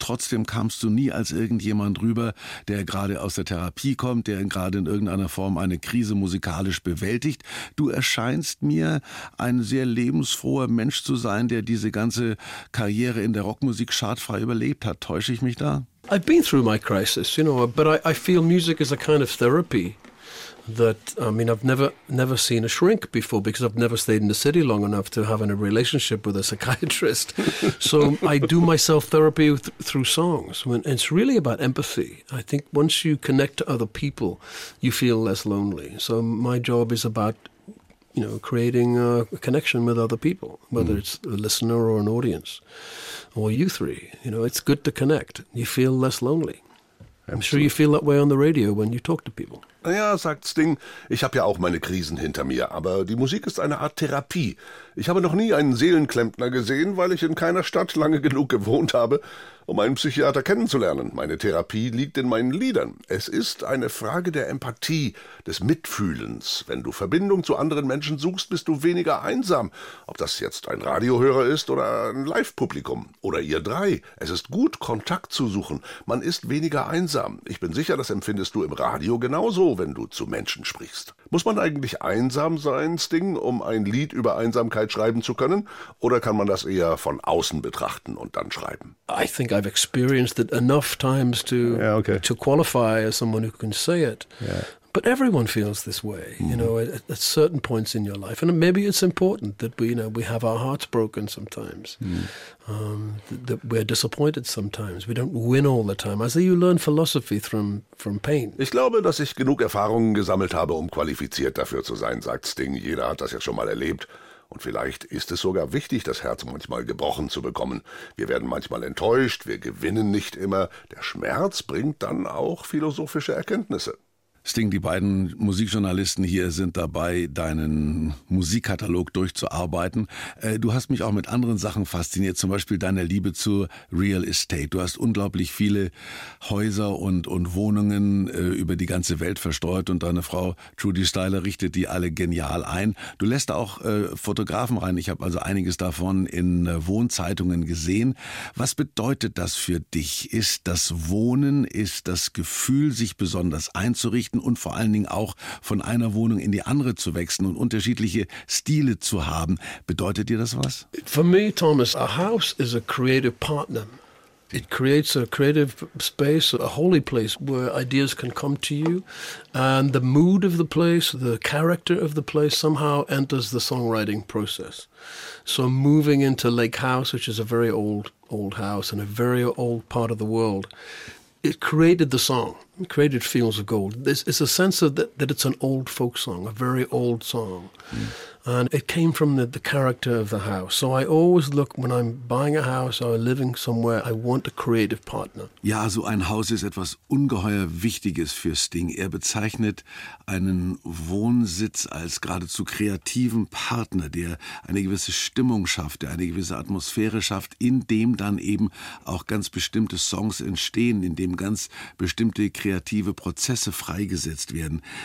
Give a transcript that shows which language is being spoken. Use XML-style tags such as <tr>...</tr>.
<de>Trotzdem kamst du nie als irgendjemand rüber, der gerade aus der Therapie kommt, der gerade in irgendeiner Form eine Krise musikalisch bewältigt. Du erscheinst mir ein sehr lebensfroher Mensch zu sein, der diese ganze Karriere in der Rockmusik schadfrei überlebt hat. Täusche ich mich da?</de> <en>I've been through my crisis, you know, but I feel music is a kind of therapy. That I mean, I've never seen a shrink before because I've never stayed in the city long enough to have a relationship with a psychiatrist. So I do myself therapy through songs. When it's really about empathy. I think once you connect to other people, you feel less lonely. So my job is about, you know, creating a connection with other people, whether it's a listener or an audience, or you three. You know, it's good to connect. You feel less lonely. I'm sure you feel that way on the radio when you talk to people.</en> <de>Naja, sagt Sting, ich habe ja auch meine Krisen hinter mir, aber die Musik ist eine Art Therapie. Ich habe noch nie einen Seelenklempner gesehen, weil ich in keiner Stadt lange genug gewohnt habe, um einen Psychiater kennenzulernen. Meine Therapie liegt in meinen Liedern. Es ist eine Frage der Empathie, des Mitfühlens. Wenn du Verbindung zu anderen Menschen suchst, bist du weniger einsam. Ob das jetzt ein Radiohörer ist oder ein Live-Publikum oder ihr drei. Es ist gut, Kontakt zu suchen. Man ist weniger einsam. Ich bin sicher, das empfindest du im Radio genauso, wenn du zu Menschen sprichst. Muss man eigentlich einsam sein, Sting, um ein Lied über Einsamkeit schreiben zu können? Oder kann man das eher von außen betrachten und dann schreiben?</de> <en>I think I've experienced it enough times to to qualify as someone who can say it. Yeah. But everyone feels this way, you know, at certain points in your life. And maybe it's important that we, you know, we have our hearts broken sometimes, that we're disappointed sometimes. We don't win all the time. I say you learn philosophy from pain.</en> <de>Ich glaube, dass ich genug Erfahrungen gesammelt habe, um qualifiziert dafür zu sein, sagt Sting. Jeder hat das ja schon mal erlebt. Und vielleicht ist es sogar wichtig, das Herz manchmal gebrochen zu bekommen. Wir werden manchmal enttäuscht, wir gewinnen nicht immer. Der Schmerz bringt dann auch philosophische Erkenntnisse. Sting, die beiden Musikjournalisten hier sind dabei, deinen Musikkatalog durchzuarbeiten. Du hast mich auch mit anderen Sachen fasziniert, zum Beispiel deine Liebe zu Real Estate. Du hast unglaublich viele Häuser und Wohnungen über die ganze Welt versteuert und deine Frau Trudy Styler richtet die alle genial ein. Du lässt auch Fotografen rein. Ich habe also einiges davon in Wohnzeitungen gesehen. Was bedeutet das für dich? Ist das Wohnen, ist das Gefühl, sich besonders einzurichten? Und vor allen Dingen auch von einer Wohnung in die andere zu wechseln und unterschiedliche Stile zu haben. Bedeutet dir das was?</de> <en>For me, Thomas, a house is a creative partner. It creates a creative space, a holy place where ideas can come to you. And the mood of the place, the character of the place somehow enters the songwriting process. So moving into Lake House, which is a very old house and a very old part of the world, it created the song. Created Fields of Gold. It's a sense of that it's an old folk song, a very old song. And it came from the character of the house. So I always look, when I'm buying a house or living somewhere, I want a creative partner.</en> <de>Ja, so ein Haus ist etwas ungeheuer Wichtiges für Sting. Er bezeichnet einen Wohnsitz als geradezu kreativen Partner, der eine gewisse Stimmung schafft, der eine gewisse Atmosphäre schafft, in dem dann eben auch ganz bestimmte Songs entstehen, in dem ganz bestimmte kreative Prozesse freigesetzt werden.</de>